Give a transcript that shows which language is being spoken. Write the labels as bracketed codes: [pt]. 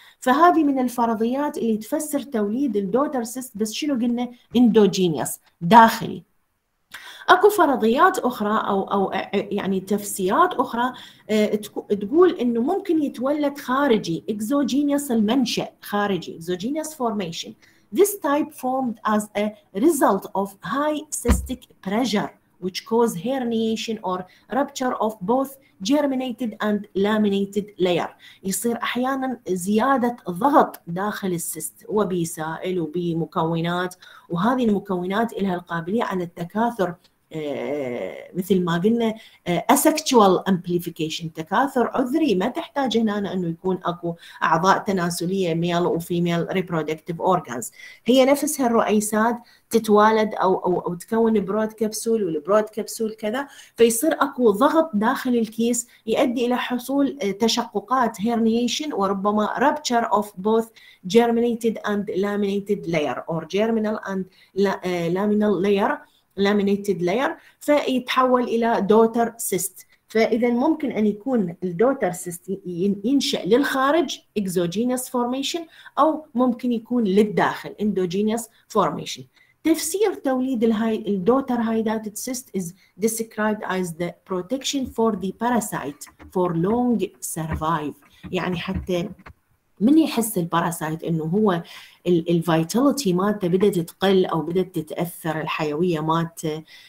[ar] فهذه من الفرضيات اللي تفسر توليد الدوتر سيست، بس شنو قلنا؟ اندوجينيوس، داخلي. اكو فرضيات اخرى او يعني تفسيرات اخرى تقول انه ممكن يتولد خارجي، اكزوجينيوس المنشا، خارجي اكزوجينيوس فورميشن. [en] This type formed as a result of high cystic pressure which cause herniation or rupture of both germinated and laminated layer. [ar] يصير احيانا زياده ضغط داخل السيست، وبسائل وبمكونات، وهذه المكونات لها القابليه على التكاثر، مثل ما قلنا [en] asexual amplification، [ar] تكاثر عذري ما تحتاج هنا انه يكون اكو اعضاء تناسليه male و female [en] reproductive organs. [ar] هي نفسها الرؤيسات تتوالد او تكون برود كبسول، والبرود كبسول كذا، فيصير اكو ضغط داخل الكيس يؤدي الى حصول تشققات هيرنيشن وربما رابتشر اوف بوث [en] germinated and laminated layer [ar] or germinal and laminal layer laminated layer، فيتحول إلى daughter cyst. فإذا ممكن أن يكون ال daughter cyst ينشأ للخارج [en] exogenous formation، [ar] أو ممكن يكون للداخل [en] endogenous formation. [ar] تفسير توليد ال [en] daughter hydatid cyst is described as the protection for the parasite for long survive. [ar] يعني حتى من يحس الباراسايت انه هو الفيتاليتي مالته بدات تقل او بدات تتاثر، الحيويه مالته